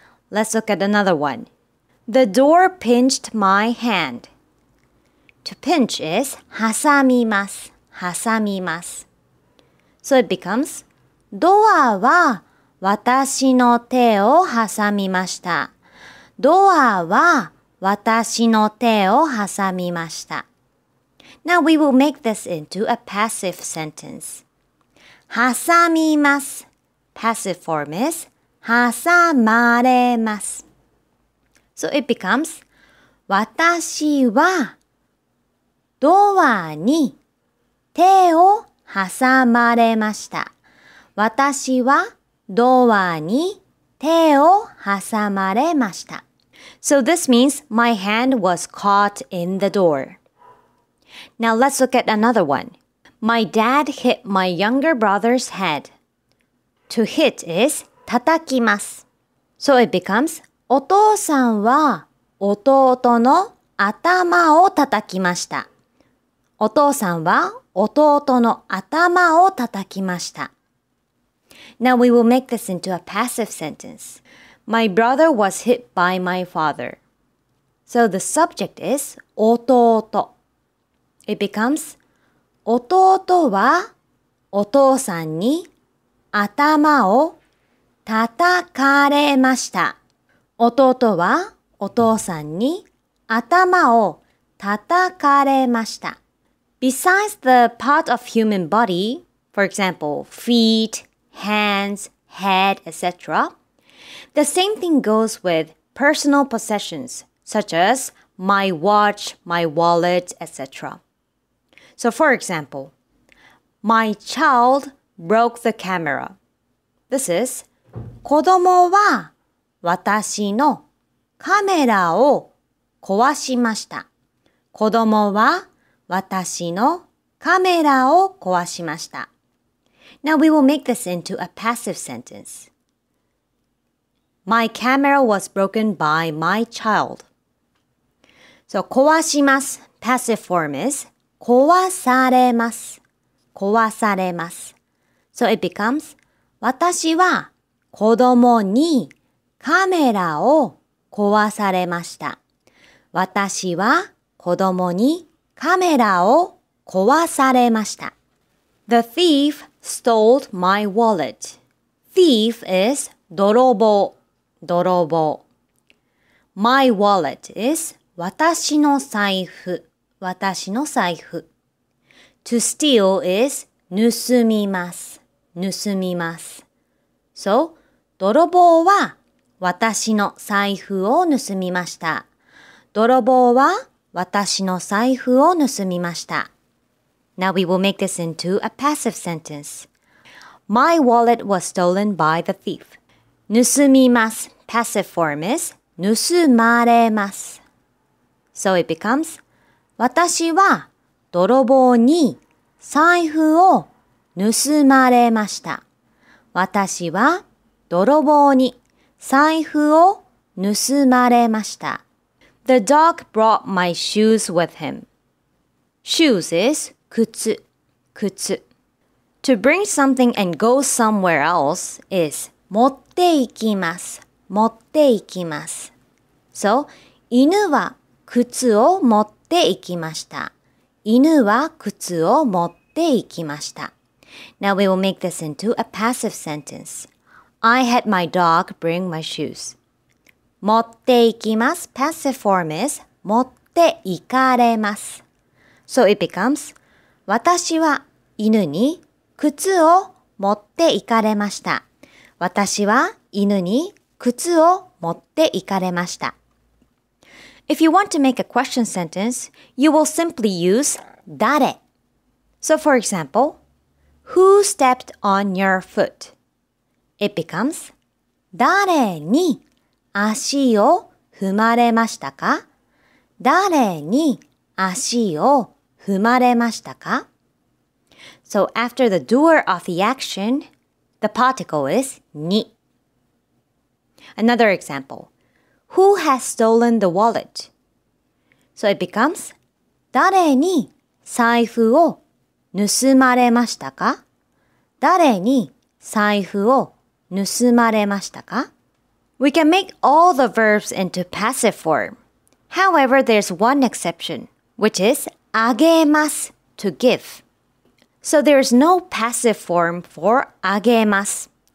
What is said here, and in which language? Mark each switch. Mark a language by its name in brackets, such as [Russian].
[English] Let's look at another one. The door pinched my hand. To pinch is [Japanese] 挟みます。挟みます。 [English] So it becomes [Japanese] ドアは私の手を挟みました。ドアは私の手を挟みました。 [English] Now we will make this into a passive sentence. [Japanese] はさみます。 [English] Passive form is [Japanese] はさまれます。 [English] So it becomes [Japanese] 私はドアに手をはさまれました。私はドアに手をはさまれました。 [English] So this means my hand was caught in the door. Now let's look at another one. My dad hit my younger brother's head. To hit is [Japanese] 叩きます。 [English] So it becomes [Japanese] お父さんは弟の頭を叩きました。お父さんは弟の頭を叩きました。 [English] Now we will make this into a passive sentence. My brother was hit by my father. So the subject is [Japanese] 弟。 [English] It becomes [Japanese] 弟はお父さんに頭を叩かれました。弟はお父さんに頭を叩かれました。 [English] Besides the part of human body, For example, feet, hands, head, etc. The same thing goes with personal possessions, such as my watch, my wallet, etc. So for example, my child broke the camera. This is [Japanese] 子供は私のカメラを壊しました。子供は私のカメラを壊しました。 [English] Now we will make this into a passive sentence. My camera was broken by my child. So 壊します。 Passive form is [Japanese] 壊されます。壊されます。 [English] So it becomes [Japanese] 私は子供にカメラを壊されました。私は子供にカメラを壊されました。 [English] The thief stole my wallet. Thief is [Japanese] 泥棒、泥棒。 [English] My wallet is [Japanese] 私の財布、私の財布。 [English] To steal is 盗みます、盗みます。So, [Japanese] 泥棒は私の財布を盗みました。泥棒は私の財布を盗みました。 [English] Now we will make this into a passive sentence. My wallet was stolen by the thief. 盗みます。Passive form is 盗まれます。 So it becomes [Japanese] 私は泥棒に財布を盗まれました。私は泥棒に財布を盗まれました。 [English] The dog brought my shoes with him. Shoes is [Japanese] 靴、靴。 [English] To bring something and go somewhere else is [Japanese] 持って行きます、持って行きます。 [English] So, [Japanese] 犬は靴を持って行きました。犬は靴を持って行きました。 [English] Now we will make this into a passive sentence. I had my dog bring my shoes. 持って行きます。Passive form is 持って行かれます。 So it becomes [Japanese] 私は犬に靴を持って行かれました。私は犬に靴を持って行かれました。 [English] If you want to make a question sentence, you will simply use [Japanese] 誰。 [English] So for example, Who stepped on your foot? It becomes [Japanese] 誰に足を踏まれましたか? 誰に足を踏まれましたか? [English] So after the doer of the action, the particle is に. Another example. Who has stolen the wallet? So it becomes [Japanese] 誰に財布を盗まれましたか? 誰に財布を盗まれましたか? [English] We can make all the verbs into passive form. However, there's one exception, which is あげます to give. So there is no passive form for あげます.